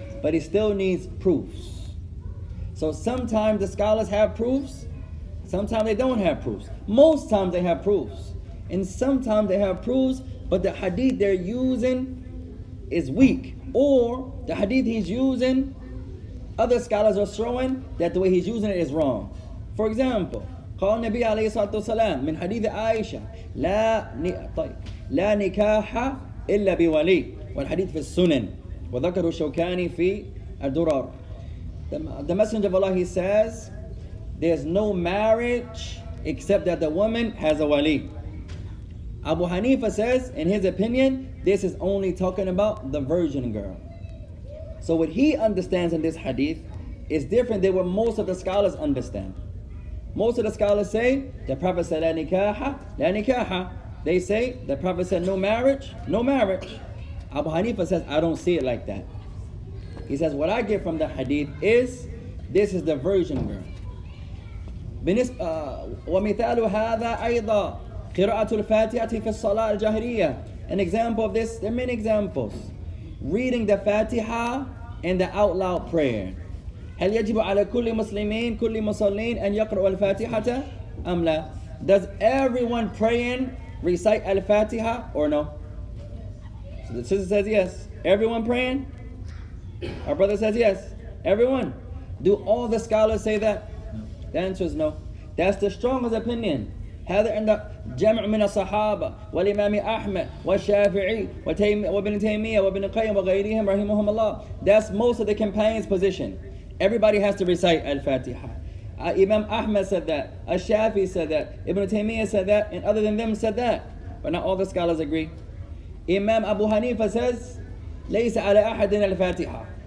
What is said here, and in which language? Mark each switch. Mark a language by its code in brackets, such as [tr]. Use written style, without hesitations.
[en] But he still needs proofs. So sometimes the scholars have proofs. Sometimes they don't have proofs. Most times they have proofs. And sometimes they have proofs, but the hadith they're using is weak. Or the hadith he's using, other scholars are showing that the way he's using it is wrong. For example, [ar] قال النبي عليه الصلاة والسلام من حديث عائشة لا لا نكاح إلا بولي والحديث في السنن وذكر الشوكاني في الدرر. [en] The Messenger of Allah, he says, there's no marriage except that the woman has a wali. Abu Hanifa says, in his opinion, this is only talking about the virgin girl. So what he understands in this hadith is different than what most of the scholars understand. Most of the scholars say, the Prophet said, la nikaha, la nikaha. They say, the Prophet said, no marriage, no marriage. Abu Hanifa says, I don't see it like that. He says, what I get from the hadith is, this is the virgin girl. [ar] وَمِثَالُ هَذَا أَيْضًا قِرَاءَةُ الْفَاتِحَةِ فِي الصَّلَاةِ الْجَهْرِيَةِ. [en] An example of this, there are many examples. Reading the Fatiha and the out loud prayer. [ar] هل يجب على كل مسلمين كل مصلين أن يقرأوا الفاتحة أم لا? [en] Does everyone praying recite الفاتحة or no? So the sister says yes. Everyone praying? Our brother says yes. Everyone? Do all the scholars say that? No. The answer is no. That's the strongest opinion. [ar] هذا عند جمع من الصحابة والإمام أحمد والشافعي وابن تيمية وابن القيم وغيرهم رحمهم الله. [en] That's most of the companions' position. Everybody has to recite Al-Fatiha. Imam Ahmad said that. Al-Shafi said that. Ibn Taymiyyah said that. And other than them said that. But not all the scholars agree. Imam Abu Hanifa says, [ar] ليس على أحد الفاتحة.